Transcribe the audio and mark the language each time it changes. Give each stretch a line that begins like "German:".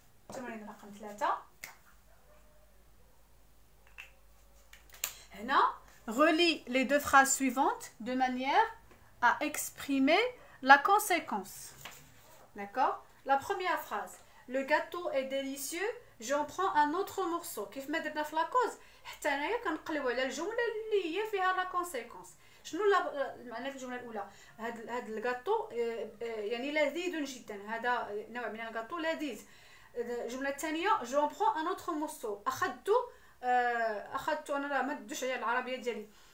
Arabic: التمرين رقم 3
French: Relis les deux phrases suivantes de manière à exprimer la conséquence. D'accord. La première phrase. Le gâteau est délicieux. J'en prends un autre morceau.
Arabic: كيف ما درنا في لا كوز حتى هنايا كنقلبوا على الجمله اللي هي فيها لا كونسيكونس. شنو المعنى في الجمله الاولى؟ هذا الغاتو يعني لذيذ جدا. هذا نوع من الغاتو لذيذ. الجمله الثانيه
French: جون برون ان اوتر موسو.
Arabic: اخذت انا ما ندوش عليها العربيه ديالي.